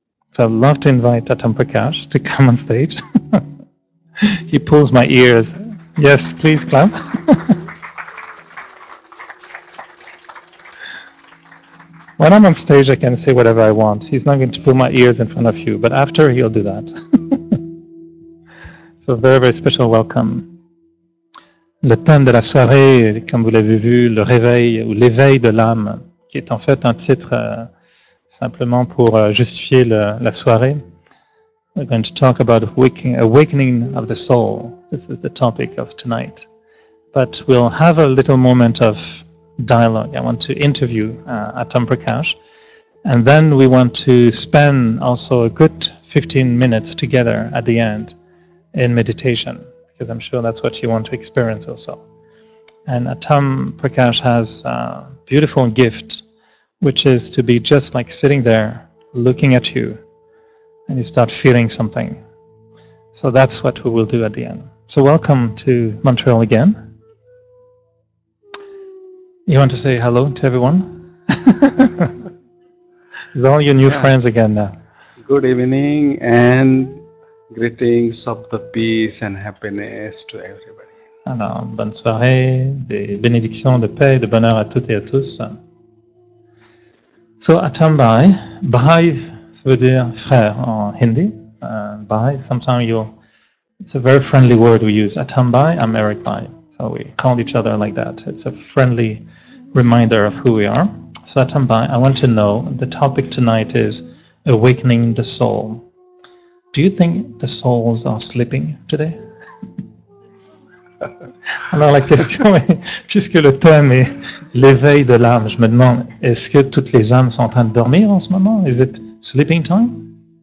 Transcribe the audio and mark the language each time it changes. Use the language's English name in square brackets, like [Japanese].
[English] So I'd love to invite Atam Prakash to come on stage. He pulls my ears. Yes, please clap. When I'm on stage, I can say whatever I want. He's not going to pull my ears in front of you, but after, he'll do that. So very, very special welcome. [French] Le thème de la soirée, comme vous l'avez vu, le réveil ou l'éveil de l'âme, qui est en fait un titre simplement pour justifier la soirée. [English] We're going to talk about awakening of the soul. This is the topic of tonight. But we'll have a little moment of dialogue. I want to interview Atam Prakash. And then we want to spend also a good 15 minutes together at the end in meditation, because I'm sure that's what you want to experience also. And Atam Prakash has a beautiful gift, which is to be just like sitting there looking at you, and you start feeling something. So that's what we will do at the end. So welcome to Montreal again. You want to say hello to everyone? It's all your new friends again now. Good evening and greetings of the peace and happiness to everybody. [French] Alors, bonne soirée, des bénédictions de paix et de bonheur à toutes et à tous. So Atam Bhai, Bhai veut dire frère en hindi. [English] Bhai, sometimes it's a very friendly word we use. Atam Bhai, I'm Eric Bhai. So we call each other like that. It's a friendly reminder of who we are. So Atam Bhai, I want to know, the topic tonight is awakening the soul. Do you think the souls are sleeping today? [French] Alors la question est, puisque le thème est l'éveil de l'âme, je me demande, est-ce que toutes les âmes sont en train de dormir en ce moment? [English] Is it sleeping time?